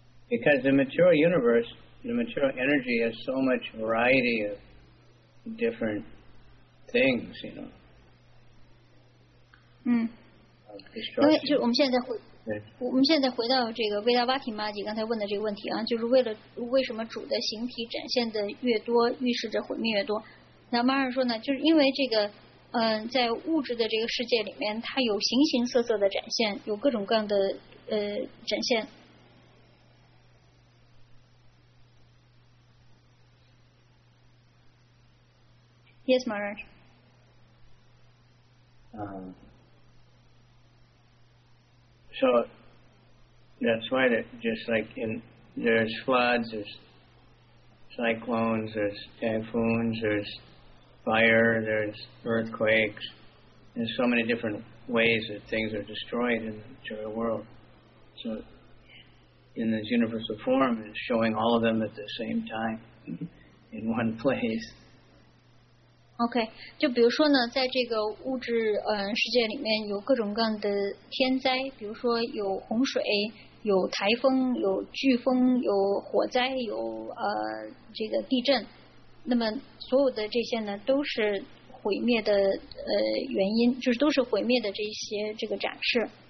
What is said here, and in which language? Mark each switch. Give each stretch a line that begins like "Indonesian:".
English: Because the material universe, the material energy has so much variety of different things, you know. Hmm.
Chinese: 因为就我们现在回到这个维达瓦提玛吉刚才问的这个问题啊，就是为什么主的形体展现的越多，预示着毁灭越多？那马尔说呢，就是因为这个，在物质的这个世界里面，它有形形色色的展现，有各种各样的展现。
English: Yes, Maharaj. So that's why that just like in there's floods, there's cyclones, there's typhoons, there's fire, there's earthquakes. There's so many different ways that things are destroyed in the material world. So in this universal form, it's showing all of them at the same time in one place.
Chinese: OK, 就比如说呢，在这个物质世界里面有各种各样的天灾，比如说有洪水，有台风，有飓风，有火灾，有这个地震，那么所有的这些呢都是毁灭的原因，就是都是毁灭的这些这个展示。